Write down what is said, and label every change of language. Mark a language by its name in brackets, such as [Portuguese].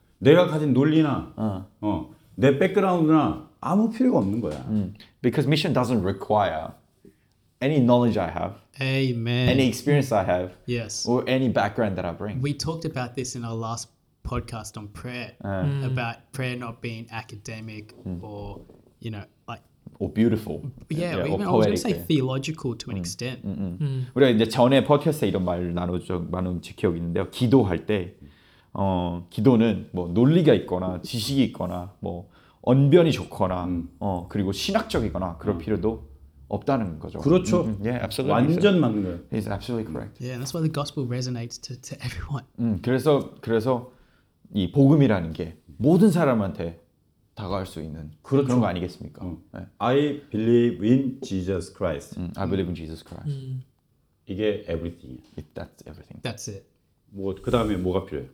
[Korean] 내가 가진 논리나 내 백그라운드나 아무 필요가 없는 거야. [English] Because mission doesn't require any knowledge I have. Amen. Any experience I have. Yes. Or any background that I bring. We talked about this in our last podcast on prayer about prayer not being academic or you know like or beautiful. Yeah, yeah or even, poetic. I was going to say theological to an extent. [Korean] 우리가 이제 전에 팟캐스트에 이런 말을 나눈 기억이 있는데요. 기도할 때 어, 기도는 뭐 논리가 있거나 지식이 있거나 뭐 언변이 좋거나 어, 그리고 신학적이거나 그런 필요도 없다는 거죠. 그렇죠. [English] Yeah, absolutely. [Korean] 완전 맞는 거예요. [English] He's absolutely correct. Yeah, that's why the gospel resonates to everyone. [Korean] 그래서 이 복음이라는 게 모든 사람한테 다가갈 수 있는 그렇죠. 그런 거 아니겠습니까? 네. [English] I believe in Jesus Christ. I believe in Jesus Christ. [Korean] 이게 everything이야. [English] That's everything. That's it. [Korean] 뭐 그다음에 뭐가 필요해?